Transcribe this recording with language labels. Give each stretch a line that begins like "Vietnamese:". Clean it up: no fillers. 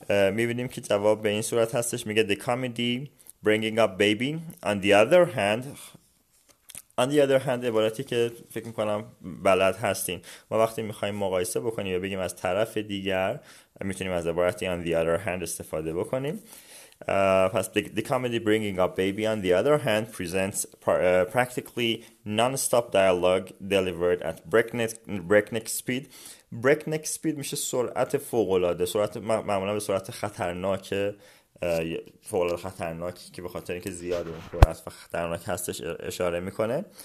Persian: میبینیم که جواب به این صورت هستش، میگه the comedy bringing up baby on the other hand عبارتی که فکر میکنم بلد هستین، ما وقتی میخواییم مقایسه بکنیم یا بگیم از طرف دیگر میتونیم از عبارتی on the other hand استفاده بکنیم.
English: Past the comedy bringing up baby on the other hand presents practically non-stop dialogue delivered at breakneck speed.
Persian: Breakneck speed میشه سرعت فوق العاده، سرعت معمولا به صورت خطرناک، فوق العاده خطرناک که به خاطر اینکه زیاد اون سرعت و خطرناک هستش اشاره میکنه.